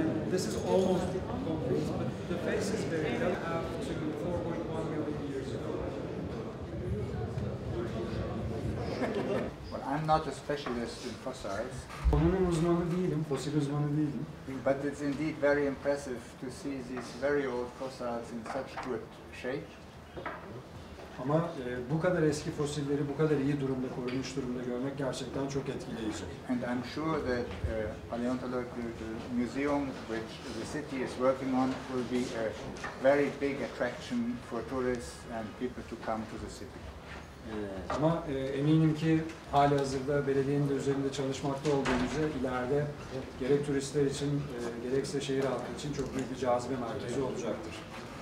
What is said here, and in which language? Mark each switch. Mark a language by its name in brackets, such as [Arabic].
[English] This is almost complete, but the face is very young, up to 4.1 million years ago. But I'm not a specialist in fossils. [Turkish] Onun uzmanı değilim, fosil uzmanı değilim. [English] But it's indeed very impressive to see these very old fossils in such good shape. [Turkish] Ama bu kadar eski fosilleri bu kadar iyi durumda, korunmuş durumda görmek gerçekten çok etkileyici. [English] And I'm sure that paleontology museum which the city is working on will be a very big attraction for tourists and people to come to the city. [Turkish] Ama eminim ki hali hazırda belediyenin de üzerinde çalışmakta olduğumuzu ileride gerek turistler için gerekse şehir halkı için çok büyük bir cazibe merkezi olacaktır.